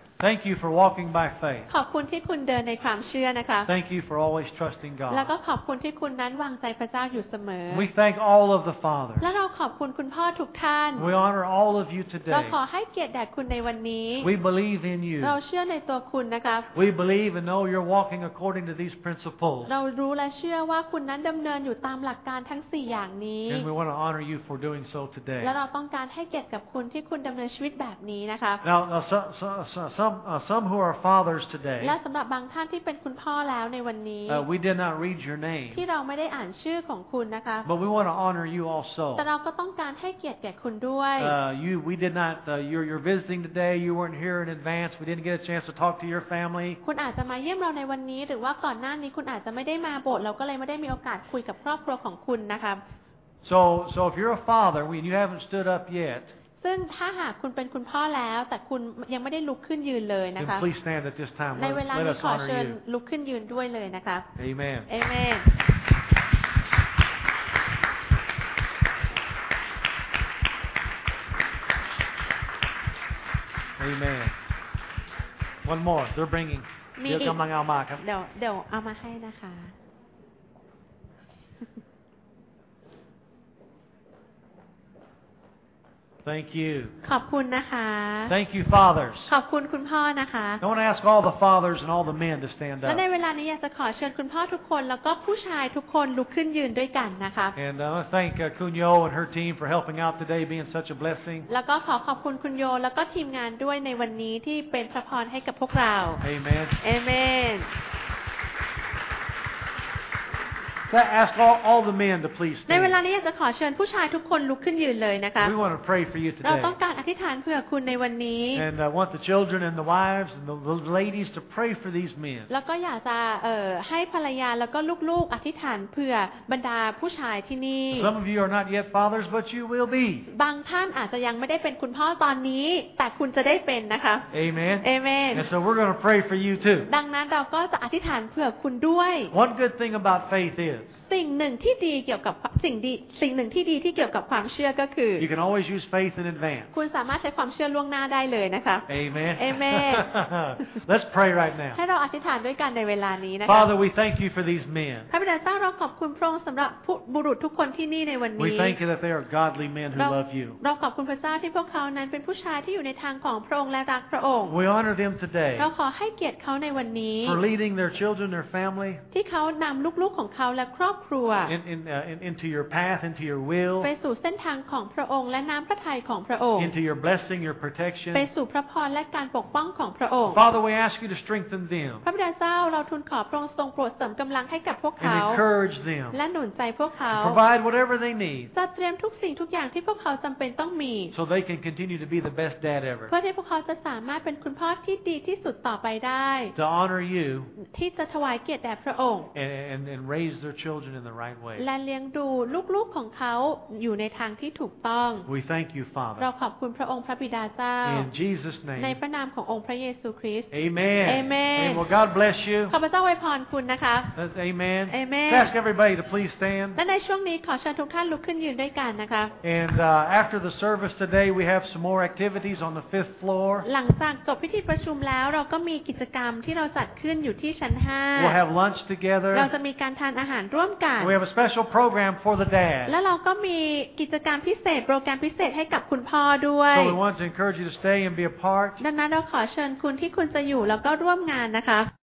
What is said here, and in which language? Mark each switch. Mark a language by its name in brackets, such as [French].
[English] Thank you for walking by faith. [Thai] ขอบคุณที่คุณเดินในความเชื่อนะคะ [English] Thank you for always trusting God. [Thai] แล้วก็ขอบคุณที่คุณนั้นวางใจพระเจ้าอยู่เสมอ [English] We thank all of the fathers. [Thai] และเราขอบคุณคุณพ่อทุกท่าน [English] We honor all of you today. [Thai] เราขอให้เกียรติแด่คุณในวันนี้ [English] We believe in you. [Thai] เราเชื่อในตัวคุณนะคะ [English] We believe and know you're walking according to these principles. [Thai] เรารู้และเชื่อว่าคุณนั้นดำเนินอยู่ตามหลักการทั้ง4อย่างนี้ [English] And we want to honor you for doing so today. [Thai] และเราต้องการให้เกียรติกับคุณที่คุณดำเนินชีวิตแบบนี้นะคะ [English] Now some who are fathers today [Thai] และสำหรับบางท่านที่เป็นคุณพ่อแล้วในวันนี้ [English] we did not read your name [Thai] ที่เราไม่ได้อ่านชื่อของคุณนะคะ [English] but we want to honor you also [Thai] แต่เราก็ต้องการให้เกียรติแก่คุณด้วย [English] we did not you're visiting today you weren't here in advance we didn't get a chance to talk to your family [Thai] คุณอาจจะมาเยี่ยมเราในวันนี้หรือว่าก่อนหน้านี้คุณอาจจะไม่ได้มาโบสถ์เราก็เลยไม่ได้มีโอกาสคุยกับครอบครัวของคุณนะคะ [English] so if you're a father and you haven't stood up yet [Thai] ซึ่งถ้าหากคุณเป็นคุณพ่อแล้วแต่คุณยังไม่ได้ลุกขึ้นยืนเลยนะคะในเวลานี้ขอเชิญลุกขึ้นยืนด้วยเลยนะคะอาเมน [English] Amen One more they're bringing [Thai] เดี๋ยวกำลังเอามาครับ เดี๋ยวเอามาให้นะคะ [English] Thank you. [Thai] ขอบคุณนะคะ [English] Thank you, fathers. [Thai] ขอบคุณคุณพ่อนะคะ [English] I want to ask all the fathers and all the men to stand up. [Thai] และในเวลานี้อยากจะขอเชิญคุณพ่อทุกคนแล้วก็ผู้ชายทุกคนลุกขึ้นยืนด้วยกันนะคะ [English] And I want to thank Kunyo and her team for helping out today, being such a blessing. [Thai] แล้วก็ขอขอบคุณคุณโยแล้วก็ทีมงานด้วยในวันนี้ที่เป็นพระพรให้กับพวกเรา [English] Amen. Amen. that ask all the men to please stand. [Thai] ในเวลานี้จะขอเชิญผู้ชายทุกคนลุกขึ้นยืนเลยนะคะ [English] We want to pray for you today. [Thai] เราต้องการอธิษฐานเพื่อคุณในวันนี้ [English] And I want the children and the wives and the ladies to pray for these men. [Thai] แล้วก็อยากจะให้ภรรยาแล้วก็ลูกๆอธิษฐานเพื่อบรรดาผู้ชายที่นี่ [English] Some of you are not yet fathers but you will be. [Thai] บางท่านอาจจะยังไม่ได้เป็นคุณพ่อตอนนี้แต่คุณจะได้เป็นนะคะ [English] Amen. Amen. And so we're going to pray for you too. [Thai] ดังนั้นเราก็จะอธิษฐานเพื่อคุณด้วย [English] One good thing about faith is [Thai] สิ่งหนึ่งที่ดีเกี่ยวกับสิ่งหนึ่งที่ดีที่เกี่ยวกับความเชื่อก็คือ [English] You can always use faith in advance. [Thai] คุณสามารถใช้ความเชื่อล่วงหน้าได้เลยนะคะ [English] Amen. Amen. Let's pray right now. [Thai] ให้เราอธิษฐานด้วยกันในเวลานี้นะคะ [English] Father, we thank you for these men. [Thai] พระบิดาเจ้าเราขอบคุณพระองค์สำหรับบุรุษทุกคนที่นี่ในวันนี้ [English] We thank you that they are godly men who love you. [Thai] เราขอบคุณพระเจ้าที่พวกเขานั้นเป็นผู้ชายที่อยู่ในทางของพระองค์และรักพระองค์ [English] We honor them today. [Thai] เราขอให้เกียรติเขาในวันนี้ [English] For leading their children, their family. [Thai] ที่เขานำลูกๆของเขาและครอบ [English] Into your path, into your will. [Thai] ไปสู่เส้นทางของพระองค์และน้ำพระทัยของพระองค์ [English] Into your blessing, your protection. [Thai] ไปสู่พระพรและการปกป้องของพระองค์ [English] Father, we ask you to strengthen them. [Thai] พระบิดาเจ้าเราทูลขอพระองค์ทรงโปรดเสริมกำลังให้กับพวกเขา [English] And encourage them. [Thai] และหนุนใจพวกเขา [English] Provide whatever they need. [Thai] จัดเตรียมทุกสิ่งทุกอย่างที่พวกเขาจำเป็นต้องมี [English] So they can continue to be the best dad ever. [Thai] เพื่อที่พวกเขาจะสามารถเป็นคุณพ่อที่ดีที่สุดต่อไปได้ [English] To honor you. [Thai] ที่จะถวายเกียรติแด่พระองค์ [English] And raise their childrenin the right way. [Thai] และเลี้ยงดูลูกๆของเขาอยู่ในทางที่ถูกต้อง [English] We thank you, Father. [Thai] เราขอบคุณพระองค์พระบิดาเจ้า [English] In Jesus name. [Thai] ในพระนามขององค์พระเยซูคริสต์ [English] Amen. Amen. May God bless you. [Thai] ขอพระเจ้าอวยพรคุณนะคะ [English] Amen. Amen. Ask everybody to please stand. [Thai] และในช่วงนี้ขอเชิญทุกท่านลุกขึ้นยืนด้วยกันนะคะ [English] And after the service today we have some more activities on the fifth floor. [Thai] หลังจากจบพิธีประชุมแล้วเราก็มีกิจกรรมที่เราจัดขึ้นอยู่ที่ชั้น 5. [English] We'll have lunch together. [Thai] เราจะมีการทานอาหาร [English] We have a special program for the dad. [Thai] แล้วเราก็มีกิจกรรมพิเศษโปรแกรมพิเศษให้กับคุณพ่อด้วย [English] So we want to encourage you to stay and be a part. [Thai] ดังนั้นเราขอเชิญคุณที่คุณจะอยู่แล้วก็ร่วมงานนะคะ